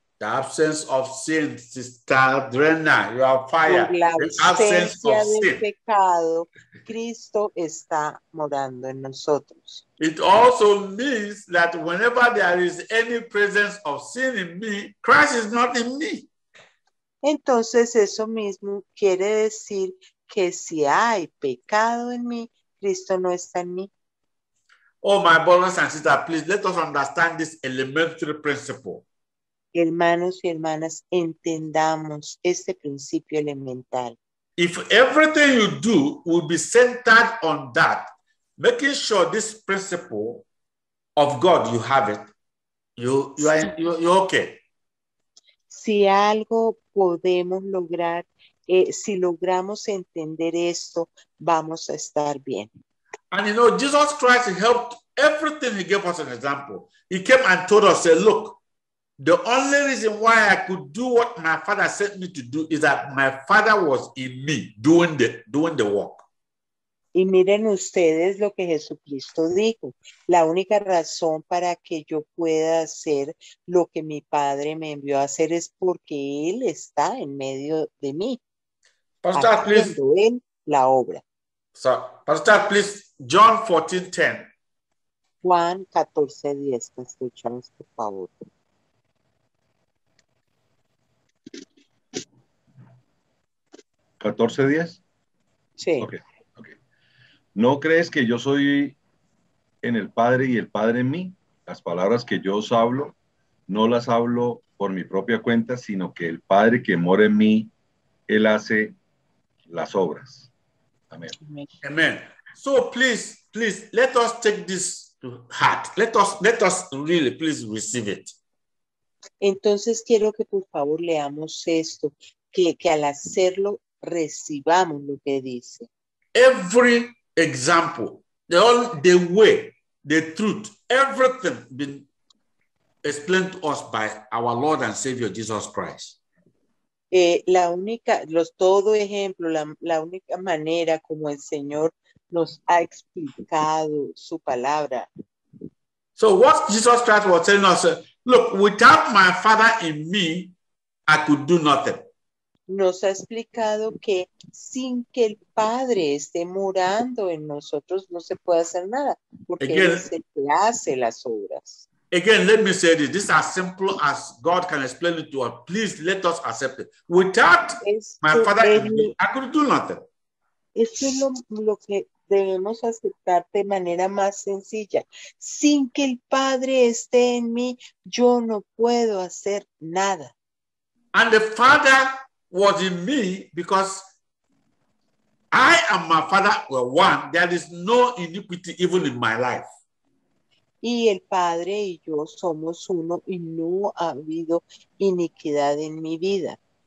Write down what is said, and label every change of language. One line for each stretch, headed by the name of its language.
English: The absence of sin, Sister Drena, you are fire.
Spanish: La
English: absence of sin.
Spanish: Pecado, Cristo está morando en nosotros.
English: It also means that whenever there is any presence of sin in me, Christ is not in me.
Spanish: Entonces, eso mismo quiere decir que si hay pecado en mí, Cristo no está en mí.
English: Oh, my brothers and sisters, please let us understand this elementary principle.
Spanish: Hermanos y hermanas, entendamos este principio elemental.
English: If everything you do will be centered on that, making sure this principle of God, you have it, you're okay.
Spanish: Si algo podemos lograr, si logramos entender esto, vamos a estar bien.
English: And you know, Jesus Christ helped everything. He gave us an example. He came and told us, said, look, the only reason why I could do what my father sent me to do is that my father was in me doing the work.
Spanish: Y miren ustedes lo que Jesucristo dijo. La única razón para que yo pueda hacer lo que mi padre me envió a hacer es porque él está en medio de mí.
English: Pastor, please.
Spanish: La obra.
English: So, Pastor, please, John 14, 10.
Spanish: Juan 14, 10. Escuchamos, por favor. ¿14:10? Sí.
English: Okay.
Spanish: ¿No crees que yo soy en el Padre y el Padre en mí? Las palabras que yo os hablo, no las hablo por mi propia cuenta, sino que el Padre que mora en mí, él hace las obras.
English: Amen. Amen. So please, let us take this to heart. Let us really, please receive it.
Spanish: Entonces quiero que por favor leamos esto, que al hacerlo recibamos lo que dice.
English: Every example, the way, the truth, everything been explained to us by our Lord and Savior Jesus Christ.
Spanish: La única manera como el Señor nos ha explicado su palabra.
English: So what Jesus Christ was telling us, look, without my father in me, I could do nothing.
Spanish: Nos ha explicado que sin que el Padre esté morando en nosotros, no se puede hacer nada, porque él es el que hace las obras.
English: Again, let me say this. This is as simple as God can explain it to us. Please let us accept it. Without my father in me, I could do nothing.
Spanish: Esto es lo que debemos aceptar de manera más sencilla. Sin que el Padre esté en mí, yo no puedo hacer nada.
English: And the Father was in me because I and my Father were one. There is no iniquity even in my life.
Spanish: Y el Padre y yo somos uno y no ha habido iniquidad en mi vida.